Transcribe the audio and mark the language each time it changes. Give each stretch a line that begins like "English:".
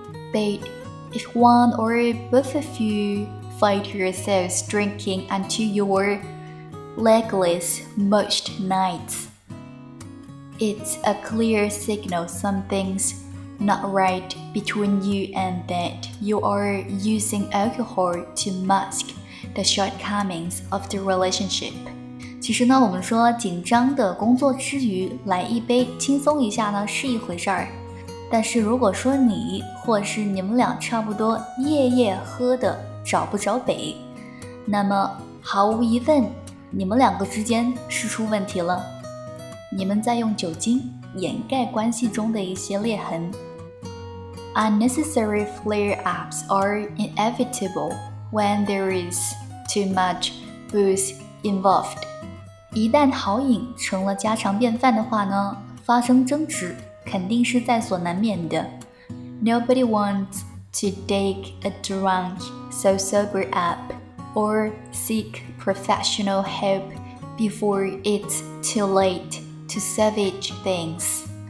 English: But if one or both of you find yourselves drinking until you're legless most nights, it's a clear signal something's not right between you and that you are using alcohol to mask the shortcomings of the relationship.
Chinese: 其实呢，我们说紧张的工作之余来一杯轻松一下呢是一回事儿，但是如果说你或是你们俩差不多夜夜喝的找不着北，那么毫无疑问你们两个之间是出问题了，你们在用酒精掩盖关系中的一些裂痕。
English: Unnecessary flare-ups are inevitable when there is too much booze involved.
Chinese: 一旦豪饮成了家常便饭的话呢，发生争执肯定是在所难免的。
English: Nobody wants to take a drunk so sober up or seek professional help before it's too late to salvage things.